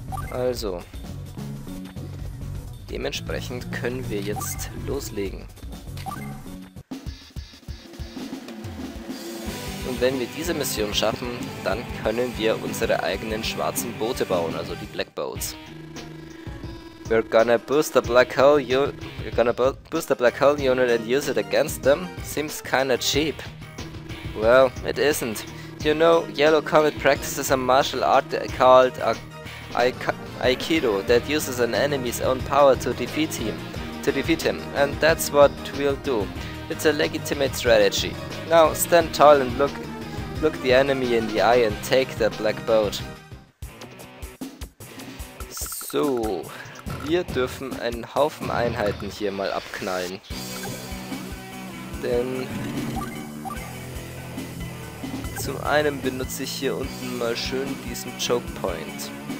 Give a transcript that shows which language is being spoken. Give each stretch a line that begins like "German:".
German: Also, dementsprechend können wir jetzt loslegen. Und wenn wir diese Mission schaffen, dann können wir unsere eigenen schwarzen Boote bauen, also die Black Boats.
English: We're gonna boost the Black Hole unit and use it against them. Seems kinda cheap. Well, it isn't. You know, Yellow Comet practices a martial art called Aikido that uses an enemy's own power to defeat him, and that's what we'll do. It's a legitimate strategy. Now stand tall and look the enemy in the eye and take that black boat.
German: So, wir dürfen einen Haufen Einheiten hier mal abknallen, denn zum einen benutze ich hier unten mal schön diesen Choke Point.